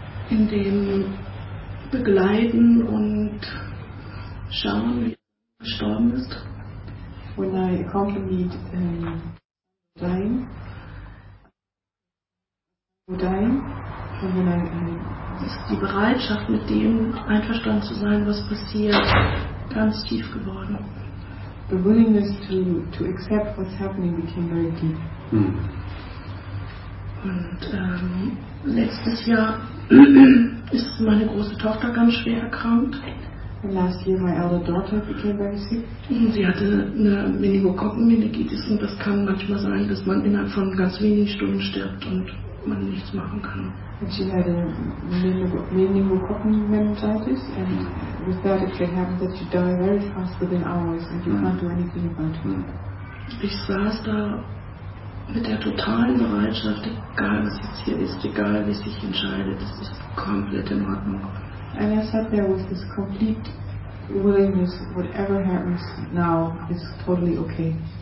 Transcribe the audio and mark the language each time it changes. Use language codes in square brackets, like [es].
[de] In dem Begleiten und Schauen, wie er gestorben ist. [en] When I accompanied dying. [de] Die Bereitschaft, mit dem einverstanden zu sein, was passiert, ganz tief geworden. [en] The willingness to accept what's happening became very deep. [de] Und letztes Jahr ist meine große Tochter ganz schwer erkrankt. [en] And last year my elder daughter became very sick. [de] Und sie hatte eine Meningokokken-Meningitis, und das kann manchmal sein, dass man innerhalb von ganz wenigen Stunden stirbt und man nichts machen kann. [en] And she had a meningococcal meningitis, and with that it can happen that you die very fast within hours, and you can't do anything about it. [de] Ich saß da mit der totalen Bereitschaft, egal was jetzt hier ist, egal wie sich entscheidet, es ist komplett in Ordnung. [en] And I sat there with this complete willingness, whatever happens now is totally okay.